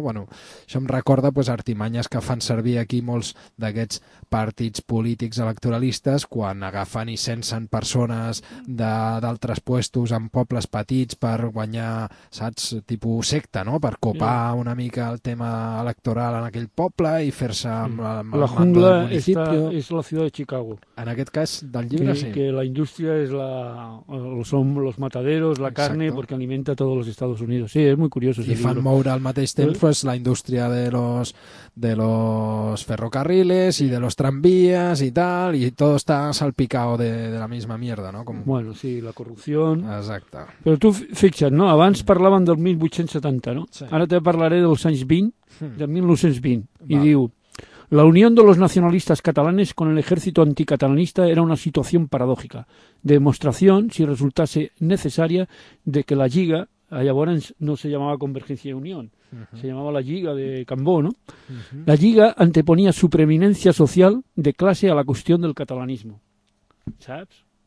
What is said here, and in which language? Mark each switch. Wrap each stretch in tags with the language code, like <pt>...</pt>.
<ca>Bueno, això em recorda, pues, artimanyes que fan servir aquí molts d'aquests partits polítics electoralistes quan agafen i censen persones d'altres puestos en pobles petits per guanyar, saps, tipus secta, no? Per copar, sí, una mica el tema electoral en aquell poble i fer-se amb el mando del municipi. La jungla és la ciutat de Chicago. En aquest cas, del llibre, que, sí. Que la indústria és la...</ca> <es>Són los mataderos, la carne, exacto, porque alimenta todos los Estados Unidos. Sí, es muy curioso.</es> <ca>I fan moure al mateix temps, pues, la indústria de los ferrocarriles i de los tranvías i tal, i tot està salpicat</ca> <es>de la misma mierda,</es> <ca>no? Com...</ca> <es>Bueno, sí, la corrupción.</es> <ca>Exacte. Però tu fixa't, no? Abans parlàvem del 1870, no? Sí. Ara te parlaré dels anys 20, de 1920, i diu...</ca> <es>La unión de los nacionalistas catalanes con el ejército anticatalanista era una situación paradójica. Demostración, si resultase necesaria, de que la Lliga, allá ahora no se llamaba Convergencia y Unión, se llamaba la Lliga de Cambó, ¿no? La Lliga anteponía su preeminencia social de clase a la cuestión del catalanismo. ¿Saps?</es>